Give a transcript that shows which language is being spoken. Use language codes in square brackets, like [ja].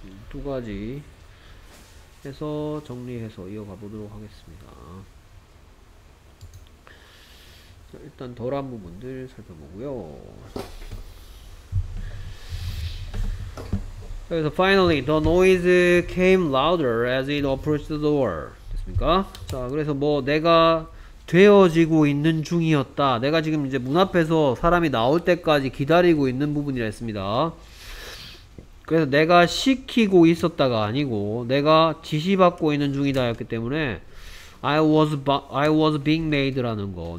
[ko] 두 가지 해서 정리해서 이어가 보도록 하겠습니다. 자, 일단 덜한 부분들 살펴보고요. [en] 그래서 finally the noise came louder as it approached the door. [ko] 됐습니까? 자, 그래서 뭐 내가 되어지고 있는 중이었다. 내가 지금 이제 문 앞에서 사람이 나올 때까지 기다리고 있는 부분이라 했습니다. 그래서 내가 시키고 있었다가 아니고 내가 지시받고 있는 중이다였기 때문에 [en] I was being made [ko] 라는 거.